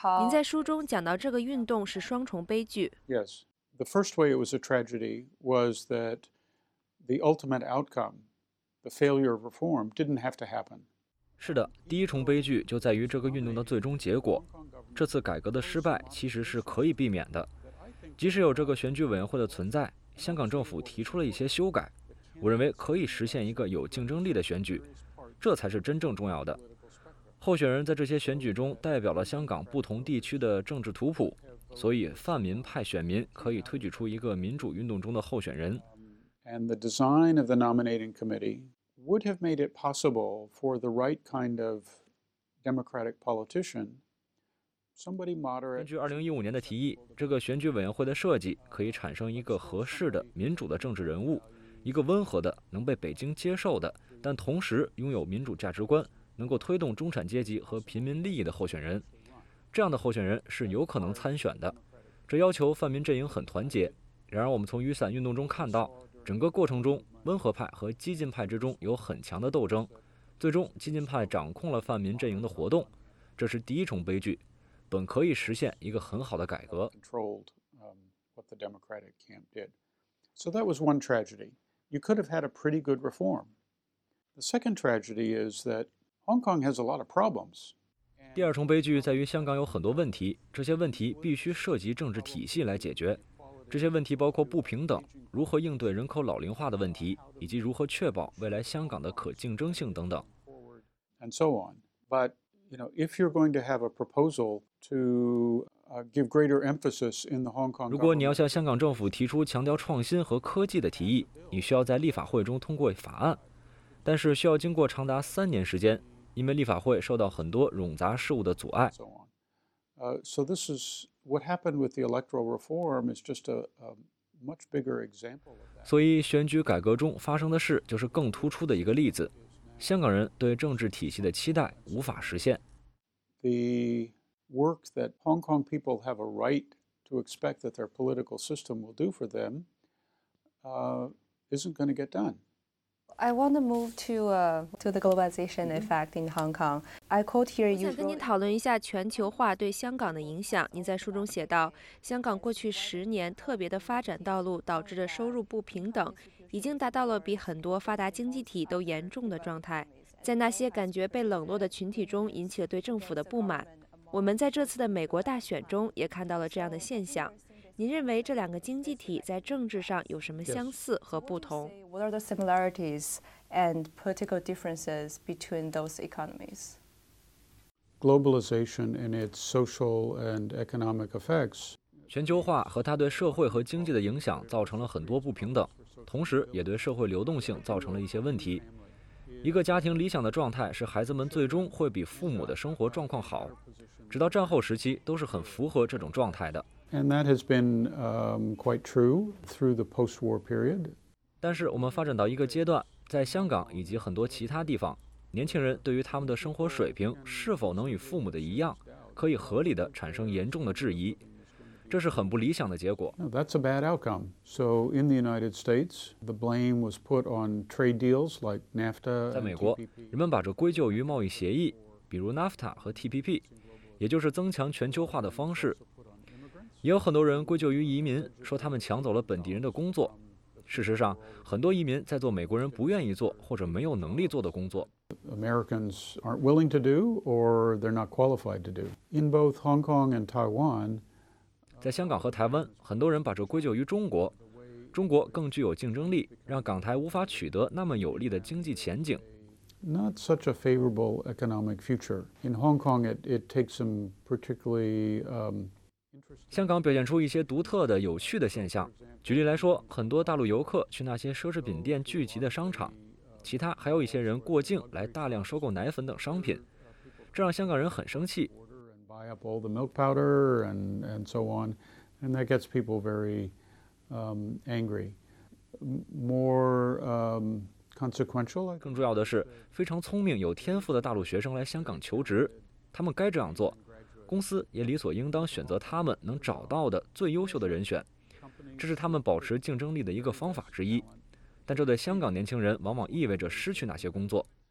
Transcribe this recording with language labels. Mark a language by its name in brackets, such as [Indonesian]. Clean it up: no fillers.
[Chinese] 在书中讲到这个运动是双重悲剧。 [English] Yes, the first way it was a tragedy was that the ultimate outcome, the failure of reform, didn't have to happen. [Chinese] 是的，第一重悲剧就在于这个运动的最终结果。这次改革的失败其实是可以避免的。即使有这个选举委员会的存在，香港政府提出了一些修改，我认为可以实现一个有竞争力的选举，这才是真正重要的。候选人在这些选举中代表了香港不同地区的政治图谱，所以泛民派选民可以推举出一个民主运动中的候选人。 [English] And the design of the nominating committee. Would have made it possible for the right kind of democratic politician, somebody moderate. [Chinese] 根据2015年的提议，这个选举委员会的设计可以产生一个合适的民主的政治人物，一个温和的能被北京接受的，但同时拥有民主价值观，能够推动中产阶级和平民利益的候选人。这样的候选人是有可能参选的。这要求泛民阵营很团结。然而我们从雨伞运动中看到，整个过程中温和派和激进派之中有很强的斗争，最终激进派掌控了泛民阵营的活动，这是第一重悲剧，本可以实现一个很好的改革。 [English] What the Democratic camp did. So that was one tragedy. You could have had a pretty good reform. The second tragedy is that Hong Kong has a lot of problems. [Chinese] 第二重悲剧在于香港有很多问题，这些问题必须涉及政治体系来解决。这些问题包括不平等，如何应对人口老龄化的问题，以及如何确保未来香港的可竞争性等等。 [English] And so on. But, you know, if you're going to have a proposal to give greater emphasis in the Hong Kong. [Chinese] 如果你要向香港政府提出强调创新和科技的提议，你需要在立法会中通过法案，但是需要经过长达三年时间，因为立法会受到很多冗杂事务的阻碍。 [English] So this is what happened with the electoral reform is just a much bigger example. [Chinese] 所以选举改革中发生的事就是更突出的一个例子，香港人对政治体系的期待无法实现。 [English] The work that Hong Kong people have a right to expect that their political system will do for them isn't going to get done. I want to move to the globalization effect in Hong Kong. I quote here. [Chinese] 我想跟您讨论一下全球化对香港的影响。您在书中写道，香港过去十年特别的发展道路导致的收入不平等，已经达到了比很多发达经济体都严重的状态。在那些感觉被冷落的群体中，引起了对政府的不满。我们在这次的美国大选中也看到了这样的现象。您认为这两个经济体在政治上有什么相似和不同？ [English] What are the similarities and political differences between those economies? Globalization and its social and economic effects. [Chinese] 全球化和它对社会和经济的影响造成了很多不平等，同时也对社会流动性造成了一些问题。一个家庭理想的状态是孩子们最终会比父母的生活状况好，直到战后时期都是很符合这种状态的。 [English] And that has been quite true through the post-war period. [Chinese] 但是我们发展到一个阶段，在香港以及很多其他地方，年轻人对于他们的生活水平是否能与父母的一样，可以合理地产生严重的质疑，这是很不理想的结果。 [English] No, that's a bad outcome. So in the United States, the blame was put on trade deals like NAFTA. [Chinese] 在美国，人们把这归咎于贸易协议，比如 NAFTA 和 TPP。也就是增强全球化的方式，也有很多人归咎于移民，说他们抢走了本地人的工作。事实上，很多移民在做美国人不愿意做或者没有能力做的工作。 [English] Americans aren't willing to do, or they're not qualified to do. In both Hong Kong and Taiwan, [Chinese] 在香港和台湾，很多人把这归咎于中国，中国更具有竞争力，让港台无法取得那么有利的经济前景。 [English] Not such a favorable economic future. In Hong Kong, it takes some particularly interesting. [Chinese] 香港表现出一些独特的、有趣的现象。举例来说，很多大陆游客去那些奢侈品店聚集的商场，其他还有一些人过境来大量收购奶粉等商品，这让香港人很生气。 [English] Buy up all the milk powder and so on, and that gets people very angry. More consequential. [Chinese] 更重要的是，非常聪明、有天赋的大陆学生来香港求职，他们该这样做，公司也理所应当选择他们能找到的最优秀的人选，这是他们保持竞争力的一个方法之一。但这对香港年轻人往往意味着失去哪些工作。